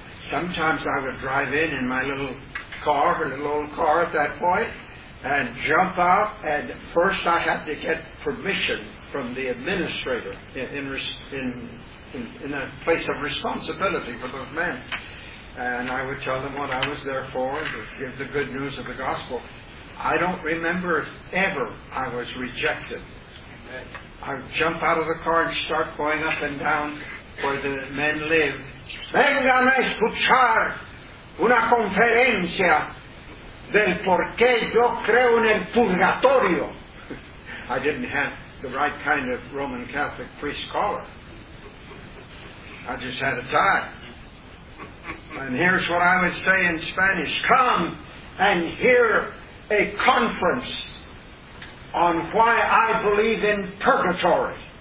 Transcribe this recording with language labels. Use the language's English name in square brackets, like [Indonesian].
[English] Sometimes I would drive in my little car, or little old car at that point, and jump out, and first I had to get permission from the administrator in a place of responsibility for those men. And I would tell them what I was there for, to give the good news of the gospel. I don't remember if ever I was rejected. I would jump out of the car and start going up and down where the men lived. [Spanish] Vengan a escuchar una conferencia del por qué yo creo en el purgatorio. [English] I didn't have the right kind of Roman Catholic priest collar. I just had a tie. And here's what I would say in Spanish. Come and hear a conference on why I believe in purgatory.